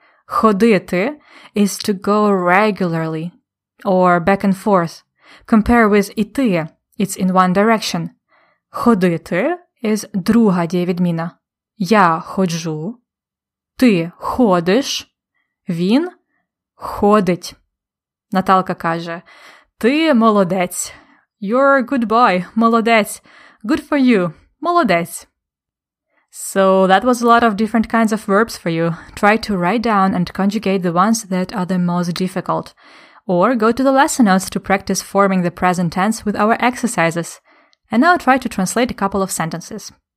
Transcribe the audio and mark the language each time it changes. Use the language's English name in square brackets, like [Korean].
[English] Ходити is to go regularly or back and forth. Compare with іти, it's in one direction. [Ukrainian] Ходити is друга дієвідміна. Я ходжу, ти ходиш, він ходить. Наталка каже, ти молодець. [English] You're a good boy, молодець. Good for you, молодець. So that was a lot of different kinds of verbs for you. Try to write down and conjugate the ones that are the most difficult. Or go to the lesson notes to practice forming the present tense with our exercises. And now try to translate a couple of sentences.